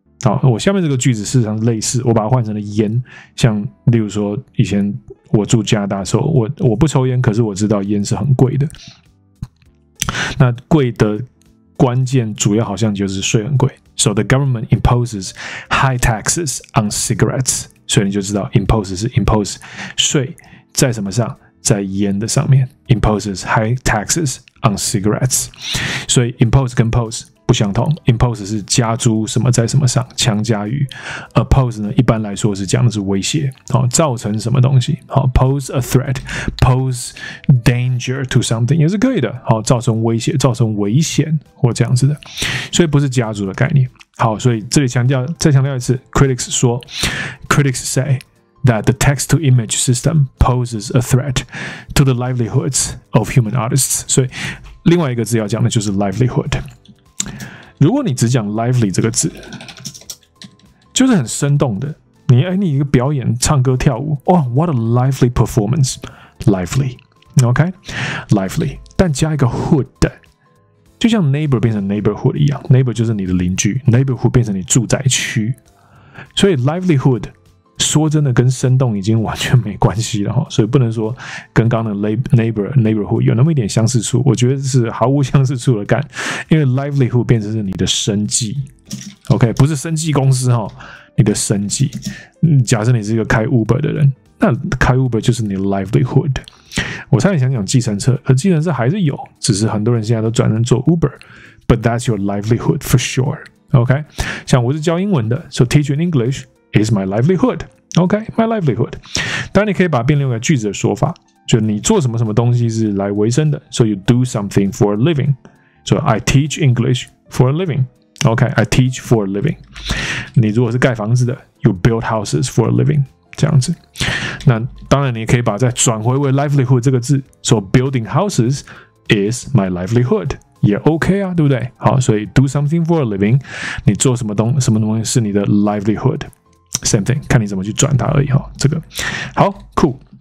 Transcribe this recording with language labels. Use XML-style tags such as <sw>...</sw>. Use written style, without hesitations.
<zh>好，我下面这个句子事实上是类似，我把它换成了烟，像例如说以前我住加拿大的时候， 我不抽烟，可是我知道烟是很贵的，那贵的关键主要好像就是税很贵。</zh> <en>So the government imposes high taxes on cigarettes.</en> <zh>所以你就知道 impose 是 impose 税在什么上，在烟的上面。</zh> <en>imposes high taxes on cigarettes，</en> <zh>所以 impose 跟 pose 不相同。 impose 是加诸什么在什么上，强加于。oppose 呢，一般来说是讲的是威胁，造成什么东西。 pose a threat，</zh> <en>pose danger to something</en> <zh>也是可以的，造成威胁，造成危险或这样子的，所以不是加诸的概念。好，所以这里强调，再强调一次， critics 说，</zh> <en>critics say that the text-to-image system poses a threat to the livelihoods of human artists.</en> <zh>所以另外一个字要讲的就是 livelihood。如果你只讲 lively 这个字，就是很生动的， 你一个表演唱歌跳舞，哇、</zh> <en>oh, what a lively performance，</en> <zh>lively， OK， lively， 但加一个 hood，就像 neighbor 变成 neighborhood 一样， neighbor 就是你的邻居， neighborhood 变成你住宅区。所以 livelihood 说真的跟生动已经完全没关系了，所以不能说跟刚刚的 neighbor neighborhood 有那么一点相似处，我觉得是毫无相似处的感，因为 livelihood 变成是你的生计， OK， 不是生计公司，你的生计。假设你是一个开 Uber 的人，那开 Uber 就是你的 livelihood。我差点想讲计程车，可计程车还是有，只是很多人现在都转成做 Uber，</zh> <en>but that's your livelihood for sure，</en> <zh>OK， 像我是教英文的，</zh> <en>so teaching English is my livelihood，</en> <zh>OK，</zh> <en>my livelihood。</en> <zh>当然你可以把它变成一个句子的说法，就你做什么什么东西是来维生的，</zh> <en>so you do something for a living， so I teach English for a living， OK， I teach for a living。</en> <zh>你如果是盖房子的，</zh> <en>you build houses for a living，</en> <zh>这样子。那当然你可以把再转回为 livelihood 这个字，</zh> <en>so building houses is my livelihood</en> <zh>也 OK 啊，对不对？好，所以</zh> <en>do something for a living，</en> <zh>你做什么东什么东西是你的 livelihood，</zh> <en>same thing，</en> <zh>看你怎么去转它而已，这个好 cool。</zh>